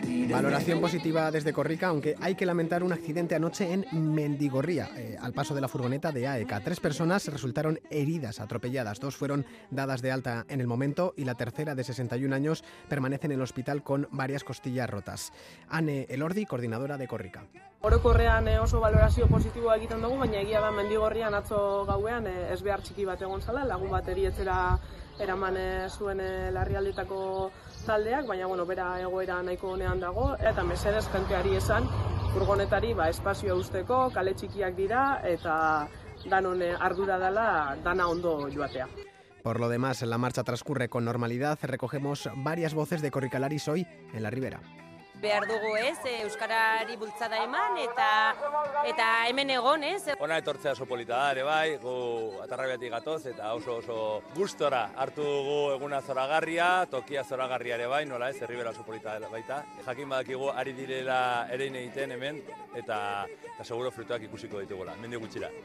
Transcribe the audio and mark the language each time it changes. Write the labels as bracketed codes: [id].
[es] Valoración positiva desde Korrika, aunque hay que lamentar un accidente anoche en Mendigorría, al paso de la furgoneta de AEK. Tres personas resultaron heridas, atropelladas. Dos fueron dadas de alta en el momento y la tercera, de 61 años, permanece en el hospital con varias costillas rotas. Ane Elordi, coordinadora de Korrika. [eu] Orokorrean oso valorazio positiboa egiten dugu, baina egia da Mendigorrian atzo gauean ezbehar txiki bat egon zala, lagun bat erietzera eraman zuen larrialdietako taldeak, baina bueno, bera egoera nahiko honean dago, eta mesedez jenteari esan furgonetari espazioa usteko, kale txikiak dira, eta danon ardura dela dana ondo joatea. [es] Por lo demás, la marcha transcurre con normalidad. Recogemos varias voces de korrikalaris hoy en la Ribera. [eu] behar dugu, ez, euskarari bultzada eman eta hemen egon, ez. Ona etortzea sopolita da, ere bai, gu Atarrabiatik gatoz eta oso gustora hartu dugu eguna zoragarria, tokia zoragarria ere bai, nola ez, Erribera sopolita dela baita. Jakin badakigu ari direla erein egiten hemen eta seguro frutuak ikusiko ditugula, mendio gutxira.